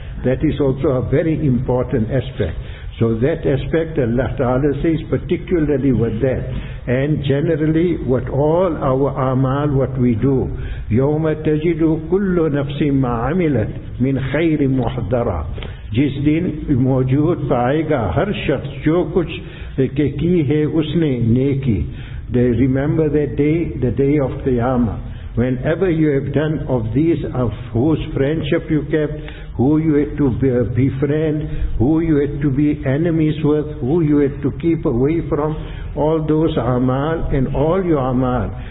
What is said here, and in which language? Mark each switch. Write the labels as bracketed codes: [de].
[en] That is also a very important aspect. So that aspect Allah Ta'ala says, particularly with that. And generally, what all our amal, what we do, [ar] يَوْمَ تَجِدُ كُلُّ نَفْسٍ مَا عَمِلَتْ مِنْ خَيْرٍ مُحْضَرًا. [ur] جس دن موجود پائے گا ہر شخص جو کچھ کی ہے اس نے نیکی. [en] They remember that day, the day of Qiyamah. Whenever you have done of these, of whose friendship you kept, who you had to befriend, who you had to be enemies with, who you had to keep away from, all those amal and all your amal.